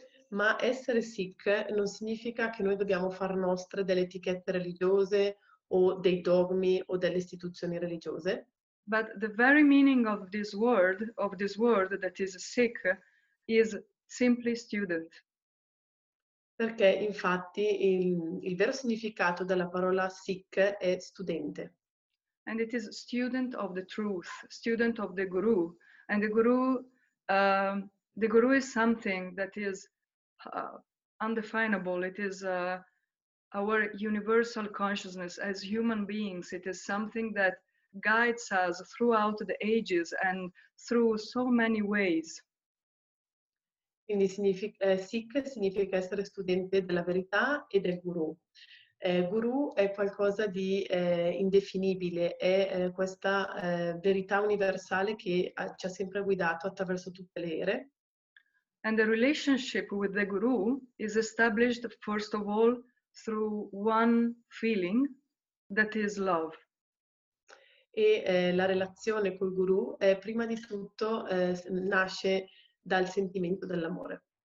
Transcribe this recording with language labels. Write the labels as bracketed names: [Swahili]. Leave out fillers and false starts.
[Italian] Ma essere Sikh non significa che noi dobbiamo far nostre delle etichette religiose o dei dogmi o delle istituzioni religiose. [English] But the very meaning of this word that is Sikh, is simply student. [Italian] Perché infatti il vero significato della parola Sikh è studente. [English] And it is student of the truth, student of the Guru. And the Guru is something that is undefinable. It is our universal consciousness as human beings. It is something that guides us throughout the ages and through so many ways. [Italian] Quindi Sikh significa essere studente della verità e del Guru. Guru è qualcosa di indefinibile, è questa verità universale che ci ha sempre guidato attraverso tutte le ere. [English] And the relationship with the Guru is established first of all through one feeling, that is love. [Italian] E la relazione col Guru è prima di tutto nasce dal sentimento dell'amore.